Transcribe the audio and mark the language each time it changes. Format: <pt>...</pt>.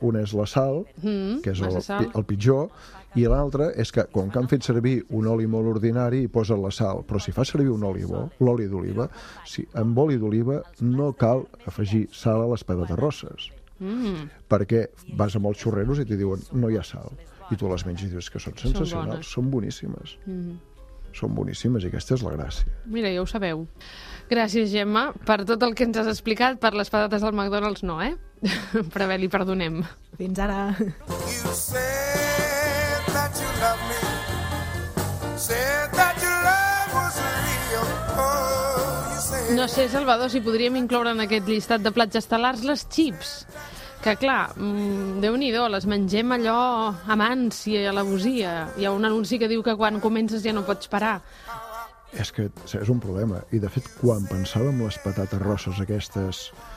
<ca>Un és la sal, que és el pitjor, i l'altre és que, com que han fet servir un oli molt ordinari, i posen la sal, però si fa servir un oli bo, l'oli d'oliva, sí, amb oli d'oliva no cal afegir sal a les patates rosses. Perquè vas amb els xorreros i t'hi diuen, no hi ha sal. I tu les menges i dius que són sensacionals, són boníssimes. Són boníssimes i aquesta és la gràcia. Mira, ja ho sabeu. Gràcies, Gemma, per tot el que ens has explicat. Per les patates del McDonald's no, eh? Però bé, li perdonem. Fins ara.</ca> <en>You said that you love me. Said that your love was real. Oh, you said...</en> <ca>No sé, Salvador, si podríem incloure en aquest llistat de plats estel·lars les chips. Que, clar, déu-n'hi-do, les mengem allò amb ànsia i alevosia. Hi ha un anunci que diu que quan comences ja no pots parar. És que és un problema. I, de fet, quan pensàvem les patates rosses aquestes</ca>